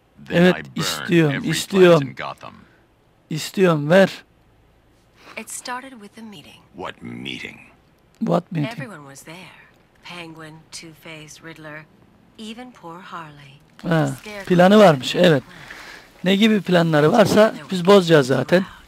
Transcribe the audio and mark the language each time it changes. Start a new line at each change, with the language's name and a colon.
Turkish: Evet, istiyorum, istiyorum. İstiyorum, ver.
English: It started with a meeting. What meeting? What meeting? Everyone was there. Penguin, Two-Face, Riddler, even poor Harley.
Turkish: Ha, planı varmış, evet. Ne gibi planları varsa biz bozacağız zaten.